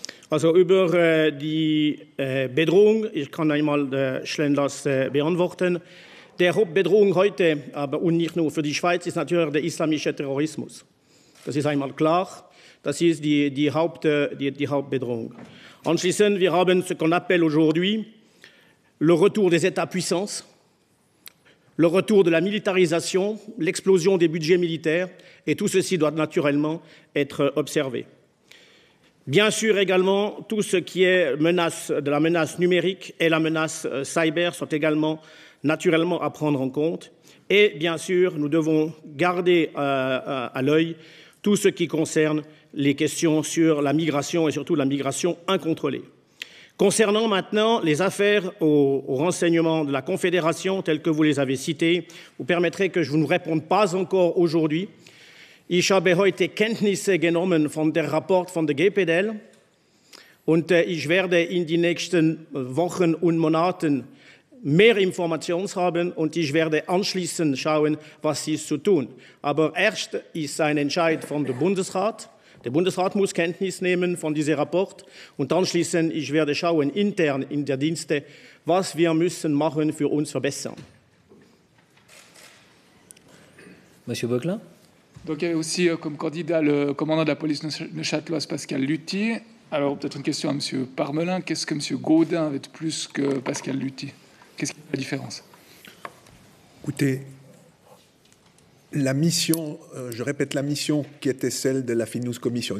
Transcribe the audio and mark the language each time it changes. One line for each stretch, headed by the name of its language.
German: Also über die Bedrohung, ich kann einmal Schlenders beantworten. Die Hauptbedrohung heute, aber und nicht nur für die Schweiz, ist natürlich der islamische Terrorismus. Das ist einmal klar. Das ist die Hauptbedrohung. Anschließend, wir haben
French: ce qu'on appelle aujourd'hui le retour des États-puissances, le retour de la militarisation, l'explosion des budgets militaires, et tout ceci doit naturellement être observé. Bien sûr, également, tout ce qui est la menace numérique et la menace cyber sont également naturellement à prendre en compte. Et bien sûr, nous devons garder à l'œil tout ce qui concerne les questions sur la migration et surtout la migration incontrôlée. Concernant maintenant les affaires aux renseignements de la Confédération, telles que vous les avez citées, vous permettrez que je ne vous réponde pas encore aujourd'hui.
German: Ich habe heute Kenntnisse genommen von der Rapport von der GPDL und ich werde in den nächsten Wochen und Monaten mehr Informationen haben und ich werde anschließend schauen, was ist zu tun. Aber erst ist ein Entscheid von dem Bundesrat. Der Bundesrat muss Kenntnis nehmen von diesem Rapport und anschließend ich werde schauen intern in der Dienste, was wir müssen machen für uns verbessern.
French: Monsieur Böckler. Donc il y avait aussi comme candidat le commandant de la police neuchâteloise Pascal Lutti. Alors peut-être une question à Monsieur Parmelin. Qu'est-ce que Monsieur Gaudin avait de plus que Pascal Lutti? Qu'est-ce qui fait la différence? Écoutez, la mission, je répète la mission qui était celle de la Finnous Commission.